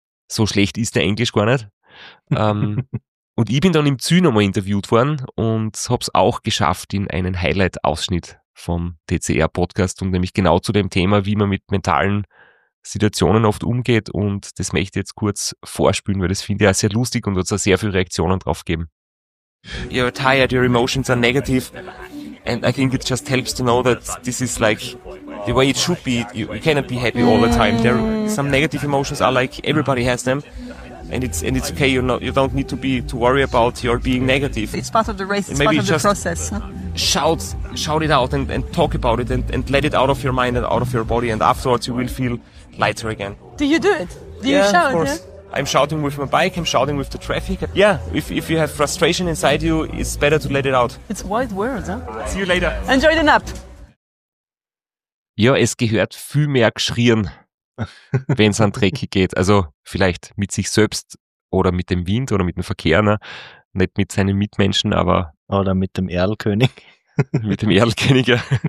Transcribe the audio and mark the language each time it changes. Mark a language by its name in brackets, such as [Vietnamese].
[German] So schlecht ist der Englisch gar nicht. Und ich bin dann im Zü nochmal interviewt worden und habe es auch geschafft in einen Highlight-Ausschnitt vom TCR-Podcast und nämlich genau zu dem Thema, wie man mit mentalen Situationen oft umgeht. Und das möchte ich jetzt kurz vorspülen, weil das finde ich auch sehr lustig und hat sehr viele Reaktionen drauf gegeben. [English] You're tired, your emotions are negative. And I think it just helps to know that this is like the way it should be. You cannot be happy all the time. There are some negative emotions are like everybody has them. And it's okay, you don't need to worry about your being negative. It's part of the race, it's part of the process. Shout it out and talk about it and let it out of your mind and out of your body and afterwards you will feel lighter again. Do you do it? Do you shout? Of course. Yeah? I'm shouting with my bike, I'm shouting with the traffic. Yeah, if you have frustration inside you, it's better to let it out. It's wild words, huh? See you later. Enjoy the nap. [German] Ja, es gehört viel mehr geschrien. Wenn es an Drecki geht, also vielleicht mit sich selbst oder mit dem Wind oder mit dem Verkehr, ne? Nicht mit seinen Mitmenschen, aber... Oder mit dem Erlkönig. Mit dem Erlkönig, ja.